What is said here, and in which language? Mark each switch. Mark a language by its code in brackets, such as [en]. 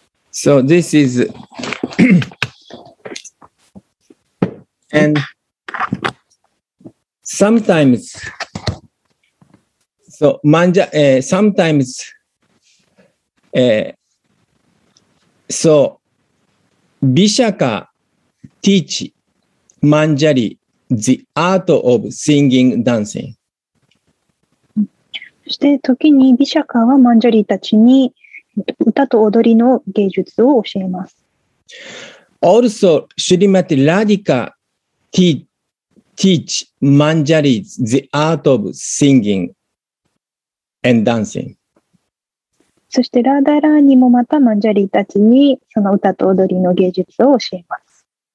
[en] So this is and sometimes so manja sometimes so Bishaka teach マンジャリーThe art of singing, dancing. [ja] そして時にビシャカはマンジャリーたちに歌と踊りの芸術を教えます。 [en] Also, Shrimati Radhika teach Manjari the art of singing and dancing. [ja] そしてラダラーニもまたマンジャリーたちにその歌と踊りの芸術を教えます。